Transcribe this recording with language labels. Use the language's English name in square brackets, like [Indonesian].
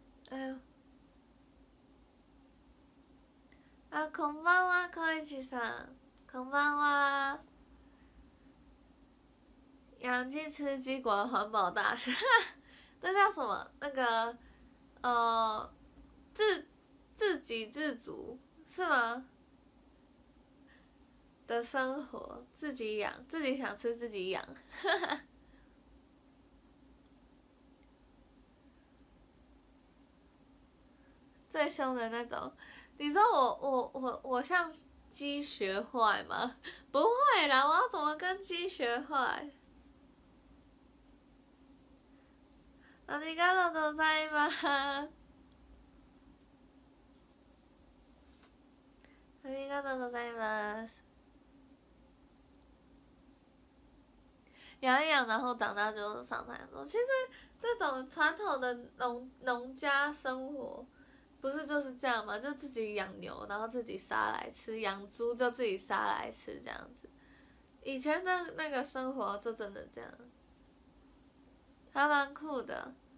[Japanese] 嗯哼，哎呦，啊，こんばんは、こいちさん、こんばんは。 [Chinese] 养鸡吃鸡果环保大使，那叫什么？那个，自给自足是吗？的生活，自己养，自己想吃自己养。最凶的那种，你说我像鸡学坏吗？不会啦，我要怎么跟鸡学坏？ [Japanese] ありがとうございます。ありがとうございます。 [Chinese] 养一养，然后长大就上菜做。其实这种传统的农家生活，不是就是这样吗？就自己养牛，然后自己杀来吃；养猪就自己杀来吃，这样子。以前的那个生活就真的这样，还蛮酷的。